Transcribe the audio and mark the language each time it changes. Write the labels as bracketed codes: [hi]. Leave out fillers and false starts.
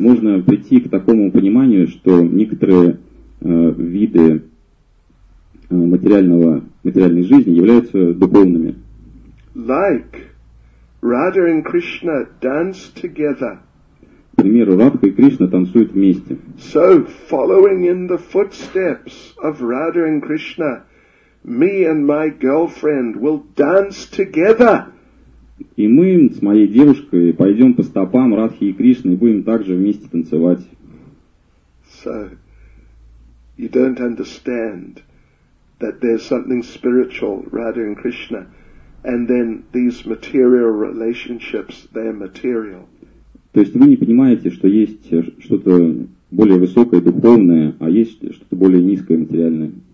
[ru] Можно прийти к такому пониманию, что некоторые виды материальной жизни являются духовными. [en] Like Radha and Krishna dance together. [ru] К примеру, Радха и Кришна танцуют вместе. [en] So, following in the footsteps of Radha and Krishna, me and my girlfriend will dance together. [ru] И мы с моей девушкой пойдем по стопам Радхи и Кришны и будем также вместе танцевать. [en] So, you don't understand that there's something spiritual, Radha and Krishna, and then these material relationships, they're material. [ru] То есть вы не понимаете, что есть что-то более высокое, духовное, а есть что-то более низкое, материальное.